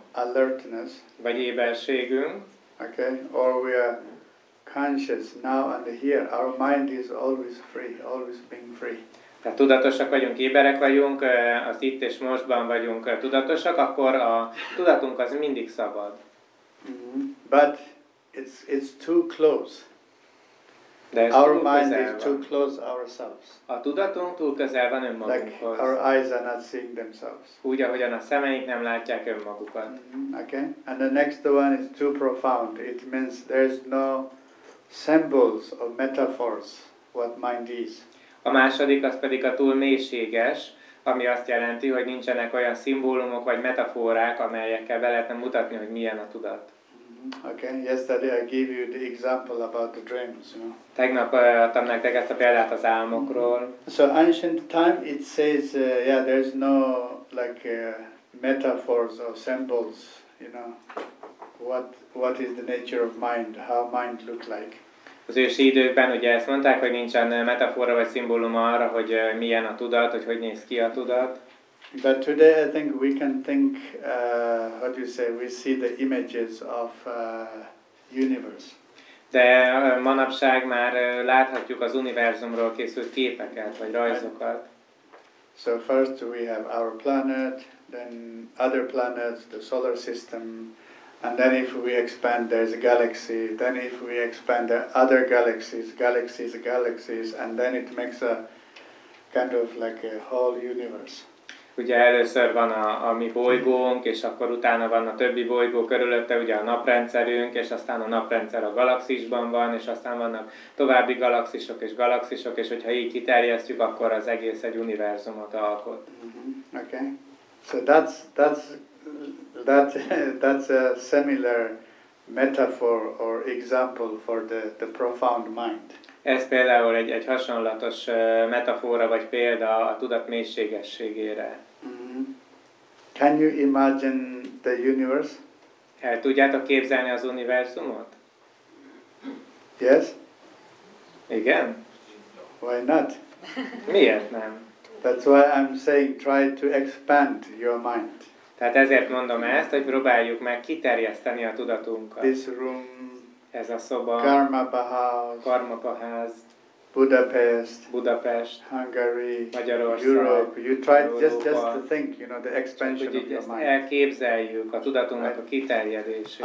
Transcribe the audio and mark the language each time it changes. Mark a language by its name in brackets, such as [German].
[English] alertness, [Hungarian] vagy éberségünk, [English] okay, or we are conscious now and here, our mind is always free, always being free. [Hungarian] Tehát tudatosak vagyunk, éberek vagyunk, az itt és mostban vagyunk tudatosak, akkor a tudatunk az mindig szabad. [English] Mm-hmm. But it's too close. [Hungarian] De ez [English] our [Hungarian] túl [English] mind [Hungarian] közel [English] is [Hungarian] van. [English] Too close ourselves. [Hungarian] A tudatunk túl közel van önmagunkhoz. [English] Like our eyes are not seeing themselves. [Hungarian] Úgy, ahogyan a szemeink nem látják önmagukat. [English] Mm-hmm. Okay. And the next one is too profound. It means there's no symbols or metaphors what mind is. [Hungarian] A második az pedig a túl mélységes, ami azt jelenti, hogy nincsenek olyan szimbólumok vagy metaforák, amelyekkel be lehetne mutatni, hogy milyen a tudat. [English] Okay, yesterday I gave you the example about the dreams, you know. [Hungarian] Tegnap adtam nektek ezt a példát az álmokról. [English] So ancient time it says yeah there's no like metaphors or symbols, you know. What is the nature of mind? How mind look like? [Hungarian] Az ősi időkben ugye ezt mondták, hogy nincsen metafora vagy szimbóluma arra, hogy milyen a tudat, hogy hogy néz ki a tudat. [English] But today I think we can think, how do you say, we see the images of universe. [Hungarian] De manapság már láthatjuk az univerzumról készült képeket vagy rajzokat. [English] So first we have our planet, then other planets, the solar system. And then if we expand, there's a galaxy. Then if we expand, there are other galaxies, galaxies, galaxies. And then it makes a kind of like a whole universe. [Hungarian] Ugye először van a mi bolygónk, és akkor utána van a többi bolygó körülötte, ugye a naprendszerünk, és aztán a naprendszer a galaxisban van, és aztán vannak további galaxisok és galaxisok, és hogyha így kiterjesztjük, akkor az egész egy univerzumot alkot. [English] Mm-hmm. Okay. So that's a similar metaphor or example for the profound mind. [Hungarian] Ez például egy hasonlatos metafora vagy példa a tudat mélységességére. [English] Mm-hmm. Can you imagine the universe? [Hungarian] El tudjátok képzelni az univerzumot? [English] Yes. [Hungarian] Igen. [English] Why not? [Hungarian] Miért nem? [English] That's why I'm saying try to expand your mind. [Hungarian] Tehát ezért mondom ezt, hogy próbáljuk meg kiterjeszteni a tudatunkat. [English] This room, [Hungarian] ez a szoba, [English] Karmapaház, Budapest, Hungary, [Hungarian] Magyarország, [English] Europe. You try just to think, you know, the expansion of your mind. [Hungarian] Elképzeljük a tudatunknak a kiterjedését.